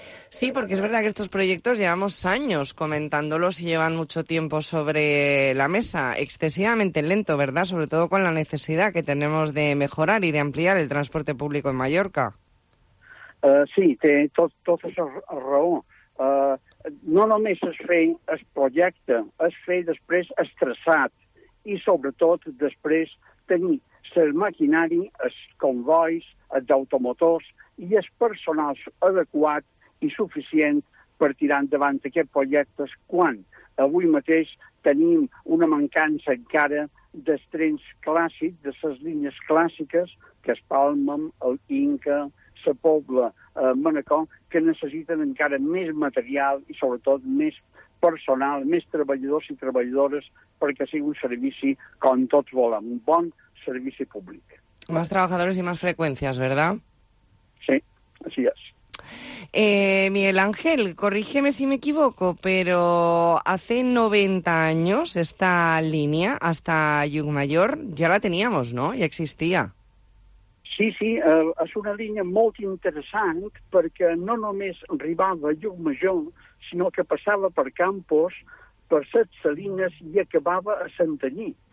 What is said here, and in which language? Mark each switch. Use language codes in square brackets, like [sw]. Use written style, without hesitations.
[es] Sí, porque es verdad que estos proyectos llevamos años comentándolos y llevan mucho tiempo sobre la mesa, excesivamente lento, ¿verdad? Sobre todo con la necesidad que tenemos de mejorar y de ampliar el transporte público en Mallorca. Sí, tiene toda esa razón. [ca] No només es fer el projecte, es fer després el traçat i sobretot després tenir el maquinari, els convois, els automotors i els personals adequats i suficient per tirar endavant aquests projectes quan avui mateix tenim una mancança encara dels trens clàssics, de les línies clàssiques, que es Palmen, el Inca, la Pobla, Manacor, que necessiten encara més material i sobretot més personal, més treballadors i treballadores perquè sigui un servici com tots volem, un bon servici públic. [es] Más trabajadores y más frecuencias, ¿verdad? Sí, así es. Miguel Ángel, corrígeme si me equivoco, pero hace 90 años esta línea hasta Llucmajor ya la teníamos, ¿no? Ya existía. [ca] Sí, sí, es una línia molt interessant perquè no només arribava a Llucmajor, sinó que passava per Campos, per set salines i acabava a Santanyí.